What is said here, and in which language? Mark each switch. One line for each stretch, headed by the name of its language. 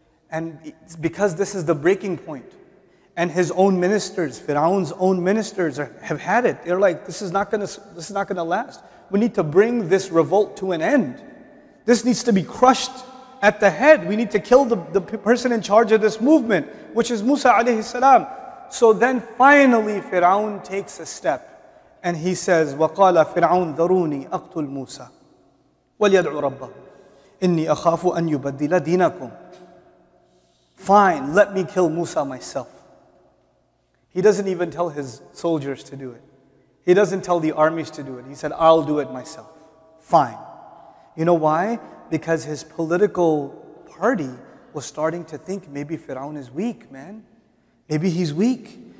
English: And it's because this is the breaking point. And his own ministers, Fir'aun's own ministers have had it. They're like, this is not gonna last. We need to bring this revolt to an end. This needs to be crushed at the head. We need to kill the person in charge of this movement, which is Musa alayhi salam. So then finally Fir'aun takes a step and he says,
Arabic: وَقَالَ فِرْعَوْنْ ذَرُونِي أَقْتُلْ مُوسَى وَلْيَدْعُ رَبَّهُ إِنِّي أَخَافُ أَنْ يُبَدِّلَ دِينَكُمْ.
English: Fine, let me kill Musa myself. He doesn't even tell his soldiers to do it. He doesn't tell the armies to do it. He said, I'll do it myself. Fine. You know why? Because his political party was starting to think, maybe Fir'aun is weak, man. Maybe he's weak.